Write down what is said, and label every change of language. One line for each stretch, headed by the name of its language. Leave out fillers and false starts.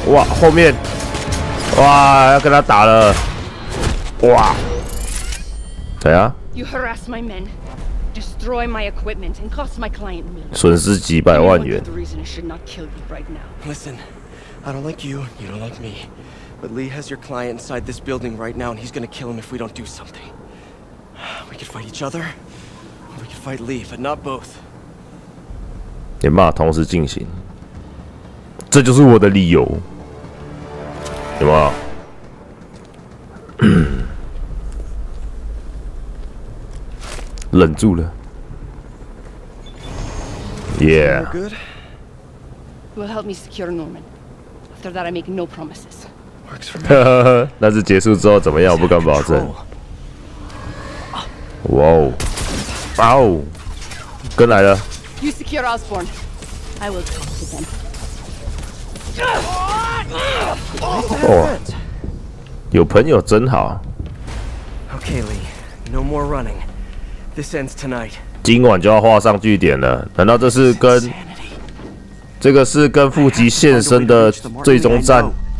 Chinese: 哇，后面，哇，要跟他打了，哇，怎样？
English: You harass my men, destroy my equipment, and cost my client millions.
Chinese: 损失几百万元。
English: The reason should not kill you right now. Listen, I don't like you, you don't like me, but Lee has your client inside this building right now, and he's gonna kill him if we don't do something. We could fight each other, or we could fight Lee, but not both.
Chinese: 也嘛，同时进行。这就是我的理由，有没有？忍住了。
English: Yeah. You will help me secure Norman. After that, I make no promises. Works for me.
Chinese: 但是结束之后怎么样？我不敢保证。哇哦！哇哦！跟来了。
English: You secure Osborne. I will talk to them.
Chinese: 哦，有朋友真好。
English: Okay, Lee, no more running. This ends tonight.
Chinese: 今晚就要画上句点了。难道这是跟这个是跟腹肌现身的最终战。